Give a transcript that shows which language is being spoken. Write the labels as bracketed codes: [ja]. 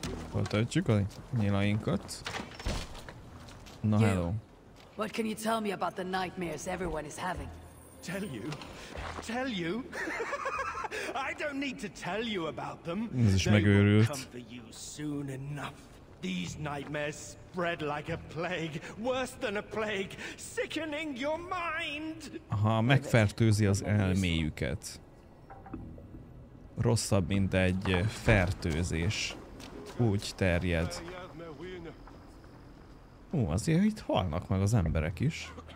[hu] Feltöltjük a nyilainkat. Na, hello. [en] What can you tell me about the nightmares everyone is having? Tell you? Tell you? I don't need to tell you about them. [hu] Ez is megőrült. [en] They will come for you soon enough. These nightmares spread like a plague, worse than a plague, sickening your mind. [hu] Aha, megfertőzi az elméjüket. Rosszabb, mint egy fertőzés. Úgy terjed. Ó, azért itt halnak meg az emberek is.